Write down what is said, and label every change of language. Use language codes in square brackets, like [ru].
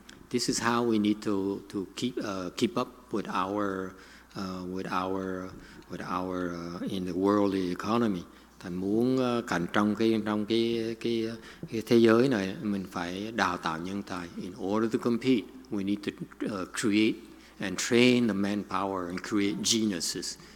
[en] This is how we need to keep up with our in the worldly economy. [vi] Thành muốn cạnh trong cái thế giới này, mình phải đào tạo nhân tài. [en] In order to compete, we need to create and train the manpower and create geniuses.